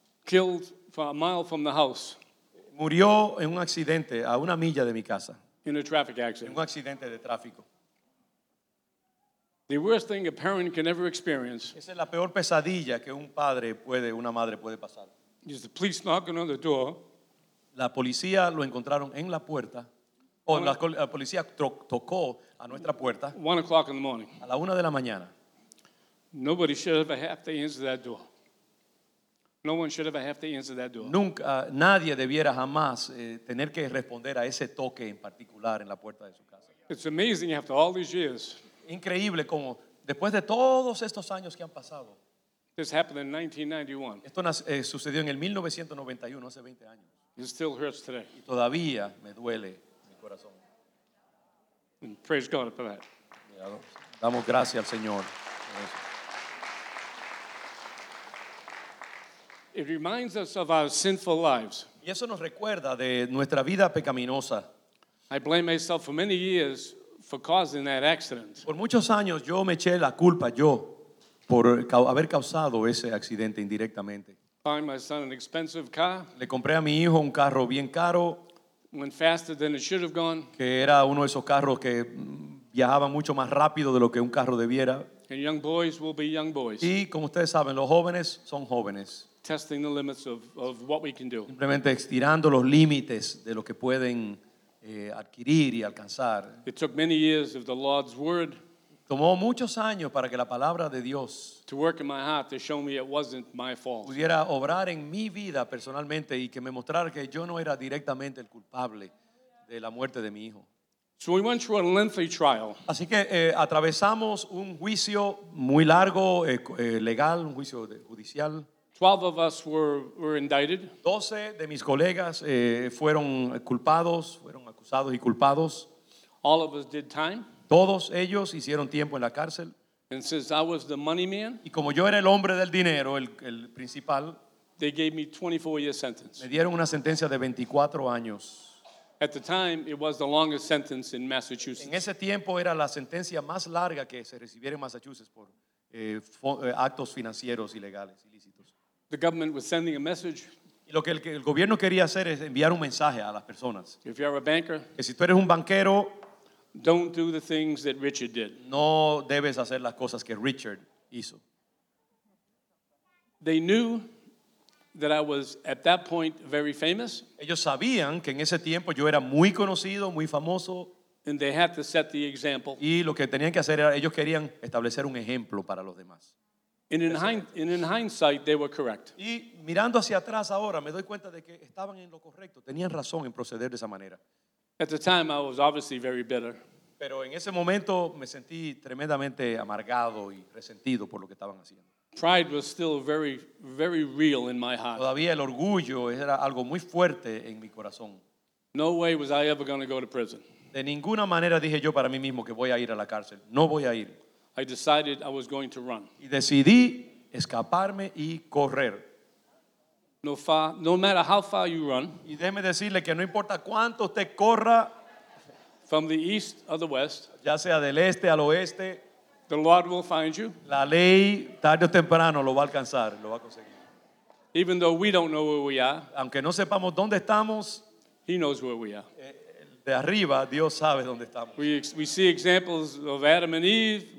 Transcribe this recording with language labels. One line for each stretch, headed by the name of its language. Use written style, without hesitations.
English: killed for a mile from the house,
Spanish: murió en un accidente a una milla de mi casa,
English: in a traffic accident,
Spanish: en un accidente de tráfico.
English: The worst thing a parent can ever experience.
Spanish: Esa es la peor pesadilla que un padre puede, una madre puede pasar.
English: Is the police knocking on the door?
Spanish: La policía lo encontraron en la puerta. La policía tocó a nuestra puerta.
English: 1 o'clock in the morning.
Spanish: A la una de la mañana.
English: Nobody should ever have to answer that door. No one should ever have to answer that door.
Spanish: Nunca, nadie debiera jamás tener que responder a ese toque en particular en la puerta de su casa.
English: It's amazing after all these years.
Spanish: Increíble como después de todos estos años que han pasado.
English: This happened in 1991.
Spanish: Esto sucedió en el 1991, hace 20 años.
English: It still hurts today.
Spanish: Y todavía me duele mi corazón.
English: And praise God for that.
Spanish: Damos gracias al Señor.
English: It reminds us of our sinful lives.
Spanish: Y eso nos recuerda de nuestra vida pecaminosa.
English: I blame myself for many years for causing that accident.
Spanish: Por muchos años yo me eché la culpa yo por haber causado ese accidente indirectamente.
English: Buying my son an expensive car.
Spanish: Le compré a mi hijo un carro bien caro.
English: Went faster than it should have gone.
Spanish: Que era uno de esos carros que viajaba mucho más rápido de lo que un carro debiera.
English: And young boys will be young boys.
Spanish: Y como ustedes saben, los jóvenes son jóvenes.
English: Testing the limits of what we can do.
Spanish: Simplemente estirando los límites de lo que pueden adquirir y alcanzar.
English: It took many years of the Lord's word.
Spanish: Tomó muchos años para que la palabra de Dios
English: to work in my heart to show me it wasn't my fault.
Spanish: Pudiera obrar en mi vida personalmente y que me mostrara que yo no era directamente el culpable de la muerte de mi hijo.
English: So we went through a lengthy trial.
Spanish: Así que atravesamos un juicio muy largo, legal, un juicio judicial.
English: 12 of us were indicted.
Spanish: 12 de mis colegas fueron culpados, fueron acusados y culpados.
English: All of us did time.
Spanish: Todos ellos hicieron tiempo en la cárcel.
English: And since I was the money man,
Spanish: y como yo era el hombre del dinero, el principal,
English: they gave me 24-year sentence.
Spanish: Me dieron una sentencia de 24 años.
English: At the time, it was the longest sentence in Massachusetts.
Spanish: En ese tiempo era la sentencia más larga que se recibiera en Massachusetts por actos financieros ilegales, ilícitos.
English: The government was sending a message.
Spanish: Y lo que el gobierno quería hacer es enviar un mensaje a las personas.
English: If you're a banker,
Spanish: que si tú eres un banquero,
English: don't do the things that Richard did.
Spanish: No debes hacer las cosas que Richard hizo.
English: They knew that I was at that point very famous.
Spanish: Ellos sabían que en ese tiempo yo era muy conocido, muy famoso.
English: And they had to set the example.
Spanish: Y lo que tenían que hacer era ellos querían establecer un ejemplo para los demás.
English: In hindsight, they were correct.
Spanish: Y mirando hacia atrás ahora, me doy cuenta de que estaban en lo correcto. Tenían razón en proceder de esa manera.
English: At the time, I was obviously very bitter.
Spanish: Pero en ese momento me sentí tremendamente amargado y resentido por lo que estaban haciendo.
English: Pride was still very, very real in my heart.
Spanish: Todavía el orgullo era algo muy fuerte en mi corazón.
English: No way was I ever going to go to prison.
Spanish: De ninguna manera dije yo para mí mismo que voy a ir a la cárcel. No voy a ir.
English: I decided I was going to run.
Spanish: Y decidí escaparme y correr.
English: No matter how far you run.
Spanish: Y déjeme decirle que no importa cuánto usted corra.
English: From the east or the west.
Spanish: Ya sea del este al oeste.
English: The Lord will find you.
Spanish: La ley tarde o temprano lo va a alcanzar, lo va a conseguir.
English: Even though we don't know where we are,
Spanish: aunque no sepamos dónde estamos,
English: He knows where we are.
Spanish: De arriba Dios sabe dónde estamos.
English: We see examples of Adam and Eve.